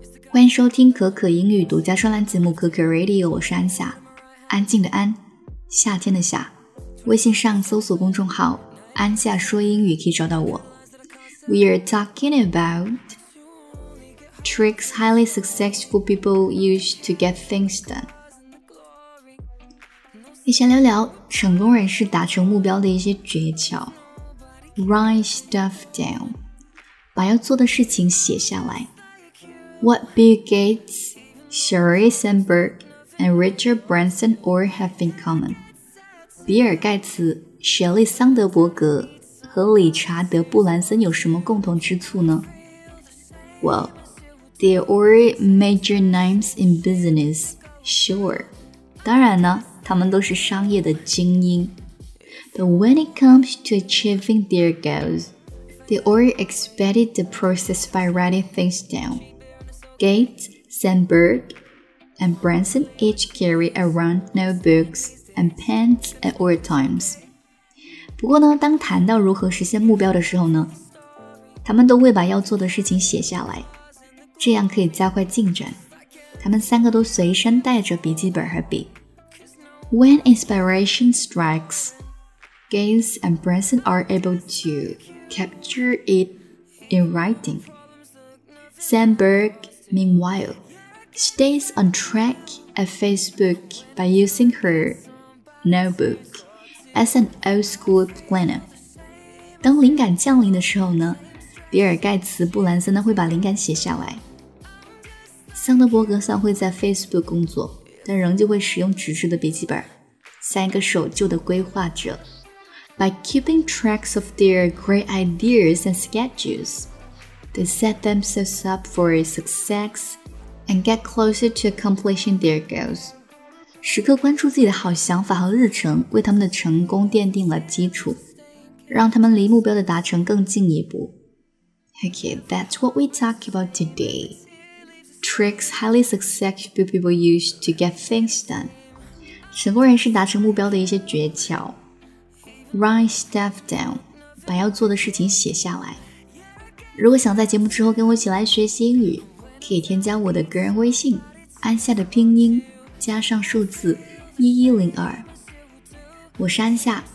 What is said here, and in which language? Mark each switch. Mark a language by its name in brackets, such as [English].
[Chinese] 欢迎收听可可英语独家专栏节目可可 Radio， 我是安夏，安静的安，夏天的夏。微信上搜索公众号安夏说英语可以找到我。 [English] We are talking about tricks highly successful people use to get things done。 [Chinese] 你先聊聊成功人士达成目标的一些诀窍。 [English] Write stuff down， [Chinese] 把要做的事情写下来。 [English] What Bill Gates, Sheryl Sandberg, and Richard Branson all have in common？ [Chinese] 比尔盖茨、雪莉桑德伯格和理查德布兰森有什么共同之处呢？ [English] Well, they're all major names in business, sure。 [Chinese] 当然呢，他们都是商业的精英。 [English] But when it comes to achieving their goals, they already expedited the process by writing things down. Gates, Sandberg, and Branson each carry around notebooks and pens at all times. [Chinese] 不过呢，当谈到如何实现目标的时候呢，他们都会把要做的事情写下来，这样可以加快进展。他们三个都随身带着笔记本和笔。 [English] When inspiration strikes, Gates and Branson are able to capture it in writing. Sandberg, meanwhile, stays on track at Facebook by using her notebook as an old-school planner. [Chinese] 当灵感降临的时候呢，比尔盖茨、布兰森呢会把灵感写下来。桑德伯格算会在 Facebook 工作，但仍旧会使用纸质的笔记本，像一个守旧的规划者。 [English] By keeping tracks of their great ideas and schedules, they set themselves up for success and get closer to accomplishing their goals. [Chinese] 时刻关注自己的好想法和日程，为他们的成功奠定了基础，让他们离目标的达成更进一步。 [English] Okay, that's what we talk about today. Tricks highly successful people use to get things done. [Chinese] 成功人士达成目标的一些诀窍。 [English] Write stuff down， [Chinese] 把要做的事情写下来。如果想在节目之后跟我一起来学习英语，可以添加我的个人微信，安夏的拼音加上数字1102。我是安夏。